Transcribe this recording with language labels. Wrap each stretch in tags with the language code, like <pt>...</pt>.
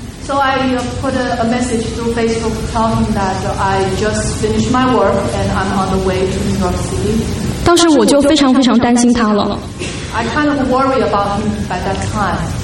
<en>So I put a message through Facebook telling him that I just finished my work and I'm on the way to New York City.</en> <zh>当时我就非常非常担心他了。</zh> <en>I kind of worry about him by that time.</en>